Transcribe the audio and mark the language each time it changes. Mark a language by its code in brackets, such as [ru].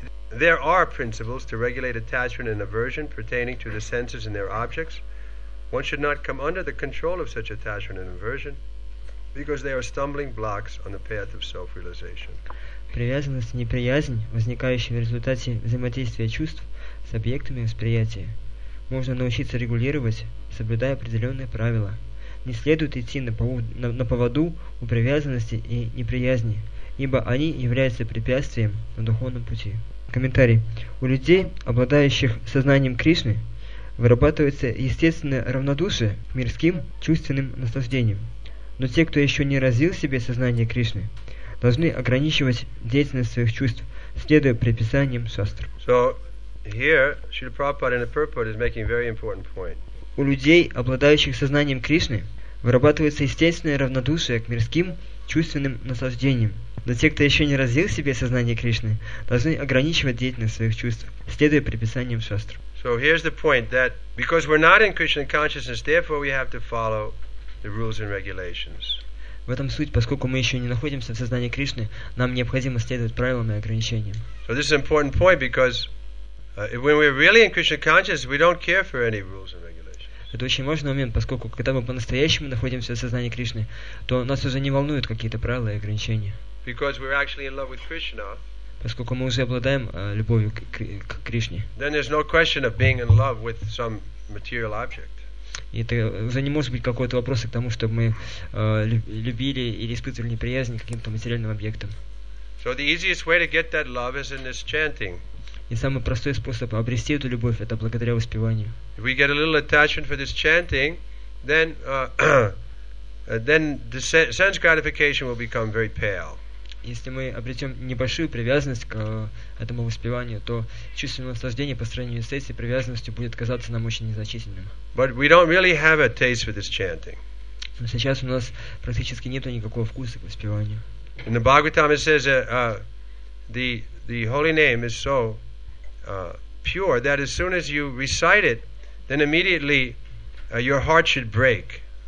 [en] There are principles to regulate attachment and aversion pertaining to the senses and their objects. One should not come under the control of such attachment and aversion because they are stumbling blocks on the path of self-realization. [ru] Привязанность и неприязнь, возникающие в результате взаимодействия чувств с объектами восприятия, можно научиться регулировать, соблюдая определенные правила. Не следует идти на поводу у привязанности и неприязни, ибо они являются препятствием на духовном пути. Комментарий. У людей, обладающих сознанием Кришны, вырабатывается естественное равнодушие к мирским чувственным наслаждениям. Но те, кто еще не развил в себе сознание Кришны, должны ограничивать деятельность своих чувств, следуя предписаниям шастр. [en] So, here, Srila Prabhupada in the purport is making a very important point. [ru] У людей, обладающих сознанием Кришны, вырабатывается естественное равнодушие к мирским чувственным наслаждениям. Но те, кто еще не развил в себе сознание Кришны, должны ограничивать деятельность своих чувств, следуя предписаниям шастр. [en] So here's the point that because we're not in Krishna consciousness, therefore we have to follow the rules and regulations. [ru] В этом суть, поскольку мы еще не находимся в сознании Кришны, нам необходимо следовать правилам и ограничениям. [en] So this is an important point because when we're really in Krishna consciousness, we don't care for any rules and regulations. [ru] Это очень важный момент, поскольку когда мы по-настоящему находимся в сознании Кришны, то нас уже не волнуют какие-то правила и ограничения. [en] Because we're actually in love with Krishna. [ru] Поскольку мы уже обладаем любовью к Кришне. [en] Then there's no question of being in love with some material object. [ru] И это уже не может быть какой-то вопрос к тому, чтобы мы любили или испытывали неприязнь к каким-то материальным объектам. [en] So the easiest way to get that love is in this chanting. [ru] И самый простой способ обрести эту любовь это благодаря воспеванию. [en] If we get a little attachment for this chanting, then the sense gratification will become very pale. [ru] Если мы обретем небольшую привязанность к этому воспеванию, то чувственное наслаждение по сравнению с этой привязанностью будет казаться нам очень незначительным. [en] But we don't really have a taste for this chanting. [ru] Но сейчас у нас практически нет никакого вкуса к воспеванию. [en] In the Bhagavatam it says the holy name is so pure that as soon as you recite it, then immediately your heart should break.